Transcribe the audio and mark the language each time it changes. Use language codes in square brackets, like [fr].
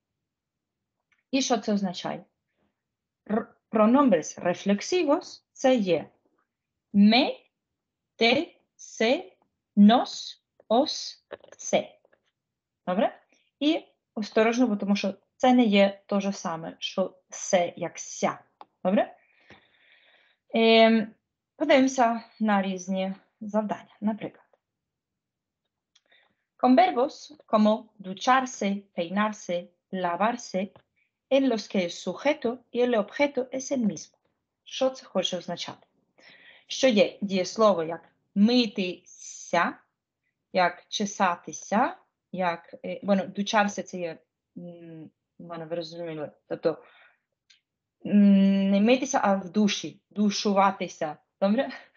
[uk] Так? І що це означає? [es] Pronombres reflexivos [uk] – це є [es] me, te, se, nos, os, se. [uk] Добре? І осторожно, бо тому що це не є то же саме, що se, як ся. Добре? Подивимося на різні завдання. [es] Наприклад, con verbos como ducharse, peinarse, lavarse, en los que el sujeto y el objeto es el mismo. [uk] Що це хоче означати? Що є дієслово як митися, як чесатися, як, bueno, ducharse це є, bueno, ви розуміли, тобто, не митися, а в душі, душуватися, добре?